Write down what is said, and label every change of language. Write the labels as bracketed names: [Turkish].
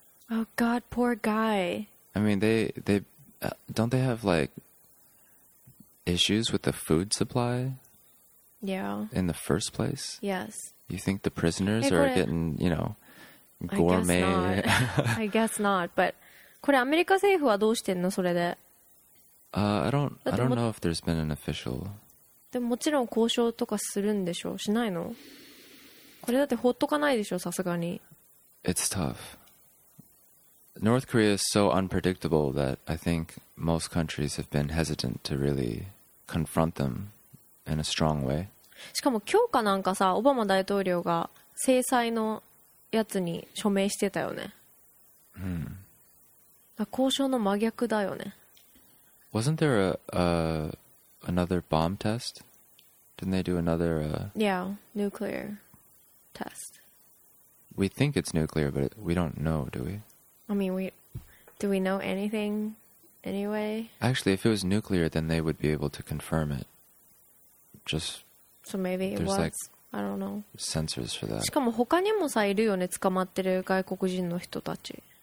[English] Oh, God, poor guy. I mean, they don't they have, like, issues with the food supply? Yeah. In the first place? Yes. You think the prisoners are getting, you know, gourmet? I guess not, but... [Japanese] これアメリカ政府はどうしてんのそれで、 [English] I don't know if there's been an official. [Japanese] でももちろん交渉とかするんでしょしないのこれだってほっとかないでしょさすがに [English] It's tough. North Korea is so unpredictable that I think most countries have been hesitant to really confront them in a strong way. [Japanese] しかも今日かなんかさオバマ大統領が制裁のやつに署名してたよね。交渉の真逆だよね。 [English] Wasn't there another bomb test? Didn't they do another? Yeah, nuclear test. We think it's nuclear, but we don't know, do we? I mean, do we know anything anyway? Actually, if it was nuclear, then they would be able to confirm it. Just so maybe it was. Like, I don't know. Sensors for that. [Japanese] しかも他にもさいるよね。捕まってる外国人の人たち。